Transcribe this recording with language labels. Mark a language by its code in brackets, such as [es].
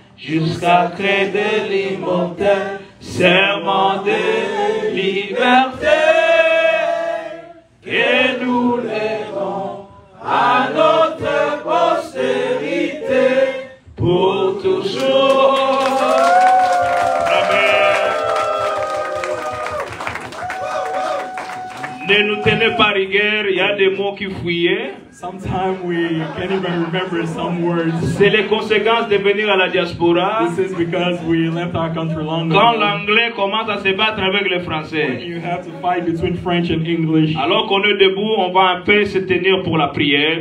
[fr] Jusqu'à créer de l'immortel, serment de liberté, que nous léguons à notre postérité pour toujours. Amen. Ne nous tenez pas rigueur, il y a des mots qui fuyaient. [en] Sometimes we can't even remember some words. [fr] C'est les conséquences de venir à la diaspora. [en] This is because we left our country long ago. [fr] Quand l'anglais commence à se battre avec le français. [en] When you have to fight between French and English. [fr] Alors qu'on est debout, on va un peu se tenir pour la prière.